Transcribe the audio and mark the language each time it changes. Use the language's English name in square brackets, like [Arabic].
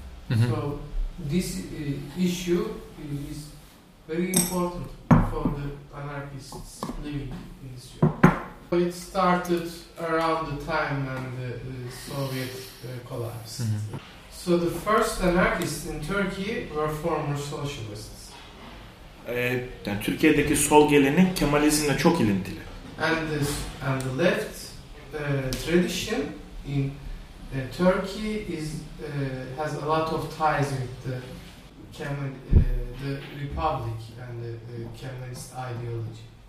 [English] Mm-hmm. So this issue is very important for the anarchists living in this area. It started around the time when the Soviet collapsed. Mm-hmm. So the first anarchists in Turkey were former socialists. [Turkish] Yani Türkiye'deki sol gelenek Kemalizm'le çok ilintili. [English] And the left tradition in Turkey is has a lot of ties with the Kemal the Republic and the Kemalist ideology.